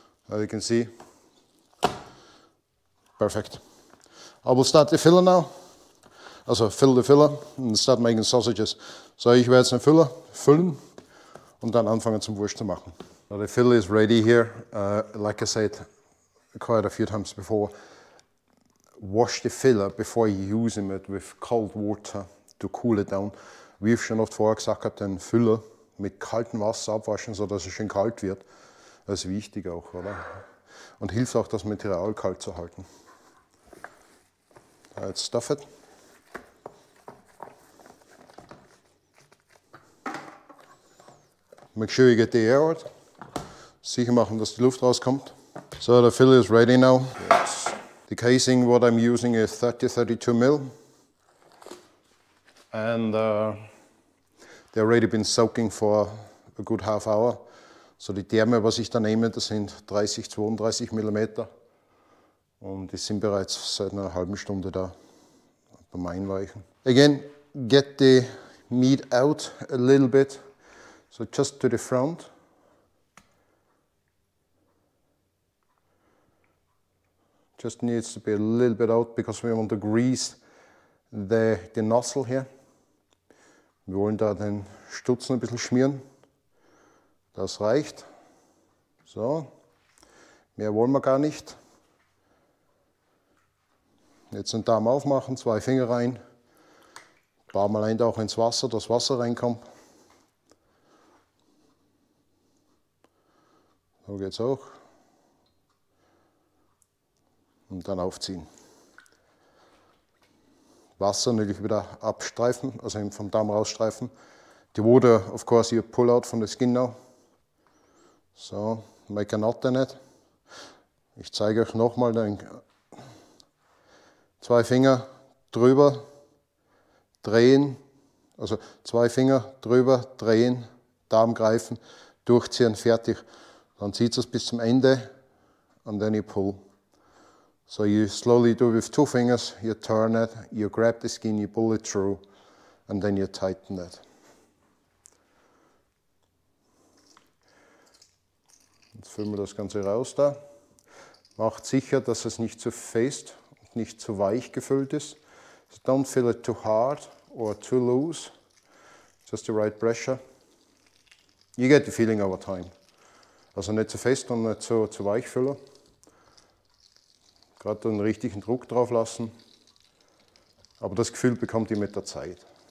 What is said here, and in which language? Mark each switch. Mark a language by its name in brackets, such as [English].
[English] As you can see, perfect. I will start the filler now. Also fill the filler and start making sausages. [German] So ich werde jetzt den Füller füllen und dann anfangen zum Wurst zu machen. [English] Now the filler is ready here. Like I said quite a few times before, wash the filler before you use it with cold water to cool it down. [German] We've schon oft vorher gesagt gehabt, den Füller mit kaltem Wasser abwaschen, sodass es schön kalt wird. Das ist wichtig auch, oder? Und hilft auch, das Material kalt zu halten. [English] Let's stuff it. Make sure you get the air out. [German] Sicher machen, dass die Luft rauskommt. [English] So, the filler is ready now. Yes. The casing, what I'm using is 30-32 mil. And they've already been soaking for a good half hour. [German] So die Därme, was ich da nehme, das sind 30, 32 mm. Und die sind bereits seit einer halben Stunde da beim Einweichen. [English] Again, get the meat out a little bit. So just to the front. Just needs to be a little bit out because we want to grease the nozzle here. [German] Wir wollen da den Stutzen ein bisschen schmieren. Das reicht. So. Mehr wollen wir gar nicht. Jetzt den Darm aufmachen, zwei Finger rein. Ein paar Mal auch ins Wasser, dass Wasser reinkommt. So geht's auch. Und dann aufziehen. Wasser natürlich wieder abstreifen, also vom Darm rausstreifen. [English] Die water, of course, you pull out from the skin now. So, make a knot in it. [German] Ich zeige euch nochmal, dann zwei Finger drüber drehen, also zwei Finger drüber drehen, Darm greifen, durchziehen, fertig. Dann zieht es bis zum Ende und dann [English] you pull. So you slowly do it with two fingers, you turn it, you grab the skin, you pull it through, and then you tighten it. [German] Jetzt füllen wir das Ganze raus da. Macht sicher, dass es nicht zu fest und nicht zu weich gefüllt ist. [English] So don't fill it too hard or too loose. Just the right pressure. You get the feeling over time. [German] Also nicht zu fest und nicht zu weich füllen. Gerade einen richtigen Druck drauf lassen. Aber das Gefühl bekommt ihr mit der Zeit.